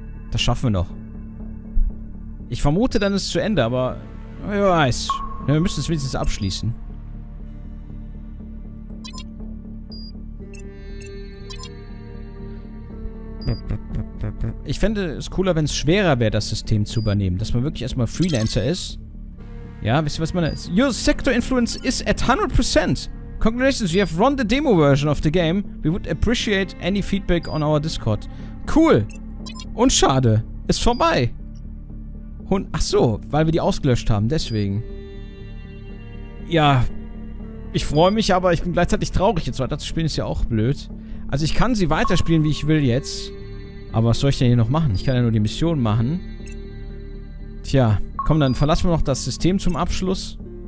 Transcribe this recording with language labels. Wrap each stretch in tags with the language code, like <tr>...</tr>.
<de>Das schaffen wir noch. Ich vermute, dann ist es zu Ende, aber... Wer weiß. Ja, wir müssen es wenigstens abschließen. Ich fände es cooler, wenn es schwerer wäre, das System zu übernehmen. Dass man wirklich erstmal Freelancer ist. Ja, wisst ihr, was man...</de> <en>Your sector influence is at 100%. Congratulations, you have run the demo version of the game. We would appreciate any feedback on our Discord.</en> <de>Cool. Und schade. Ist vorbei. Und, ach so, weil wir die ausgelöscht haben, deswegen. Ja. Ich freue mich, aber ich bin gleichzeitig traurig. Jetzt weiter zu spielen ist ja auch blöd. Also ich kann sie weiterspielen, wie ich will jetzt. Aber was soll ich denn hier noch machen? Ich kann ja nur die Mission machen. Tja, komm, dann verlassen wir noch das System zum Abschluss.</de>